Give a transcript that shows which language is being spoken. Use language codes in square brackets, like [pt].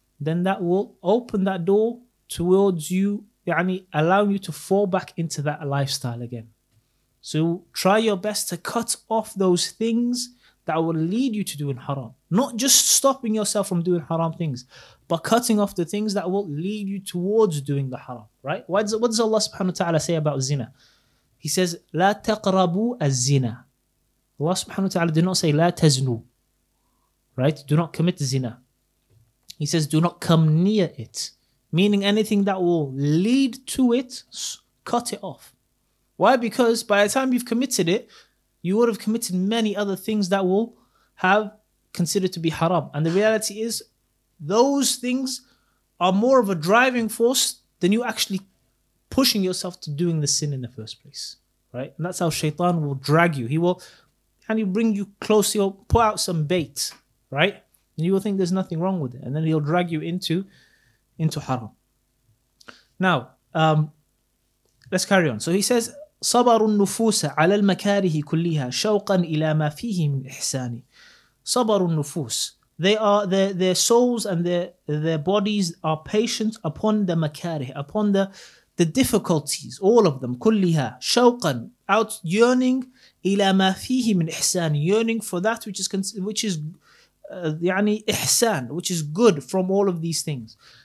[en] Then that will open that door towards you, يعني, allowing you to fall back into that lifestyle again. So try your best to cut off those things that will lead you to doing haram. Not just stopping yourself from doing haram things, but cutting off the things that will lead you towards doing the haram, right? What does Allah subhanahu wa ta'ala say about zina? He says, [ar] لا تقربوا الزنا. [en] Allah subhanahu wa ta'ala did not say, [ar] لا تزنوا. [en] Right? Do not commit zina. He says, do not come near it. Meaning anything that will lead to it, cut it off. Why? Because by the time you've committed it, you would have committed many other things that will have considered to be haram. And the reality is, those things are more of a driving force than you actually pushing yourself to doing the sin in the first place, right? And that's how shaitan will drag you. He will bring you close, he'll put out some bait, right? And you will think there's nothing wrong with it. And then he'll drag you into haram. Now, let's carry on. [ar] So he says, صبر النفوس على المكاره كلها شوقا إلى ما فيه من إحسان. صبر النفوس. [en] They are their souls and their bodies are patient upon the makarih, upon the difficulties, all of them. [ar] Kulliha shawqan, [en] out yearning, [ar] ila ma fihi min ihsan, [en] yearning for that which is ihsan, which is good from all of these things.